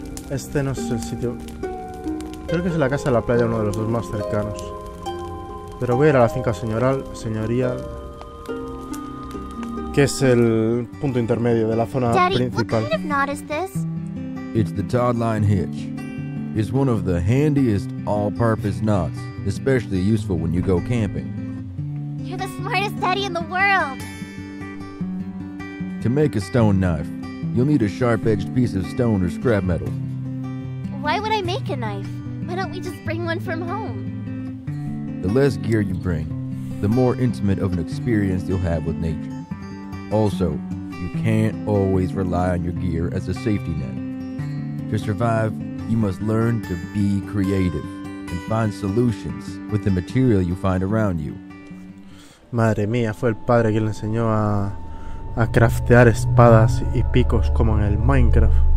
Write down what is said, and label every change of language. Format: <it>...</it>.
<es>Este no es el sitio. Creo que es la casa de la playa, uno de los dos más cercanos. Pero voy a ir a la finca señorial. Señoría. que es el punto intermedio de la zona</es> <en>Daddy,</en> <es>principal.</es> <en>What kind of knot is this? It's the Todline hitch. It's one of the handiest all-purpose knots, especially useful when you go camping. You're the smartest daddy in the world. To make a stone knife, you'll need a sharp-edged piece of stone or scrap metal. Why would I make a knife? Why don't we just bring one from home? The less gear you bring, the more intimate of an experience you'll have with nature. Also, you can't always rely on your gear as a safety net. To survive, you must learn to be creative and find solutions with the material you find around you.</en> <es>Madre mía, fue el padre quien le enseñó a craftear espadas y picos como en el Minecraft.</es>